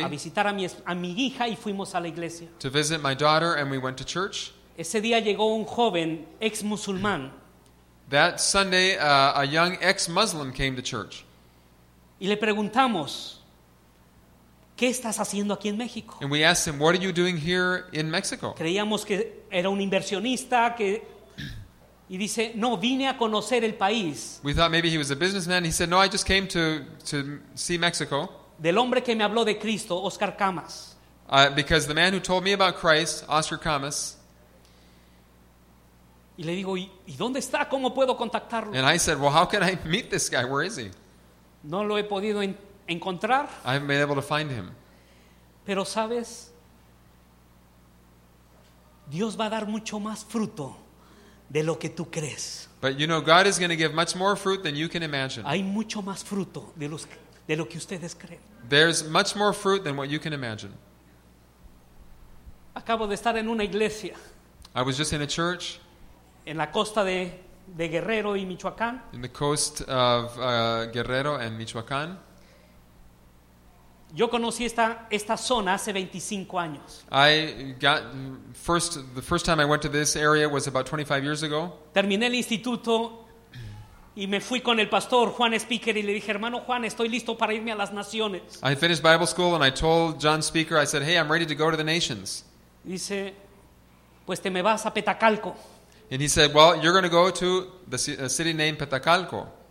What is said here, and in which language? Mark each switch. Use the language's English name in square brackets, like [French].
[Spanish] A visitar a mi hija y fuimos a la iglesia. [English] To visit my daughter and we went to church. [Spanish] Ese día llegó un joven ex musulmán. [English] That Sunday, a young ex Muslim came to church. [Spanish] Y le preguntamos, ¿qué estás haciendo aquí en México? [English] And we asked him, what are you doing here in Mexico? [Spanish] Creíamos que era un inversionista que y dice, no, vine a conocer el país. [English] We thought maybe he was a businessman. He said, no, I just came to see Mexico. [Spanish] Del hombre que me habló de Cristo, Oscar Camas. [English] Because the man who told me about Christ, Oscar Camas. [Spanish] Y le digo, ¿y dónde está? ¿Cómo puedo contactarlo? [English] And I said, well, how can I meet this guy? Where is he? [Spanish] No lo he podido encontrar. [English] I haven't been able to find him. [Spanish] Pero sabes, Dios va a dar mucho más fruto de lo que tú crees. [English] But you know, God is going to give much more fruit than you can imagine. [Spanish] Hay mucho más fruto de lo que ustedes creen. [English] There's much more fruit than what you can imagine. [Spanish] Acabo de estar en una iglesia. [English] I was just in a church. [Spanish] En la costa de Guerrero y Michoacán. [English] In the coast of Guerrero and Michoacán. [Spanish] Yo conocí esta zona hace 25 años. [English] The first time I went to this area was about 25 years ago. [Spanish] Terminé el instituto y me fui con el pastor Juan Speaker y le dije, hermano Juan, estoy listo para irme a las naciones. [English] I finished Bible school and I told John Speaker, I said, hey, I'm ready to go to the nations. [Spanish] Dice, pues te me vas a Petacalco. [English] And he said, well, you're going to go to the city named Petacalco.